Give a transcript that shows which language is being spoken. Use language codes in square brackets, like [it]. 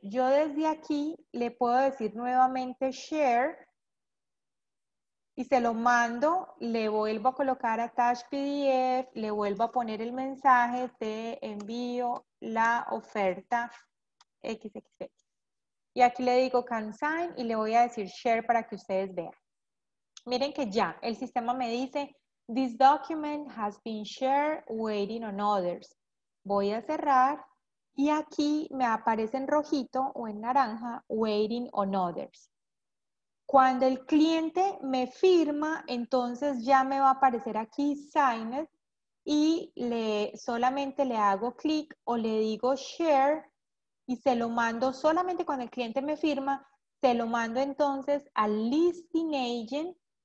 [es] Yo desde aquí le puedo decir nuevamente share y se lo mando, le vuelvo a colocar attach PDF, le vuelvo a poner el mensaje, te envío la oferta XXX. Y aquí le digo can sign y le voy a decir share para que ustedes vean. Miren que ya el sistema me dice [en] This document has been shared, waiting on others. [es] Voy a cerrar y aquí me aparece en rojito o en naranja, [en] waiting on others. [es] Cuando el cliente me firma, entonces ya me va a aparecer aquí signed y solamente le hago clic o le digo share y se lo mando solamente cuando el cliente me firma, se lo mando entonces al listing agent.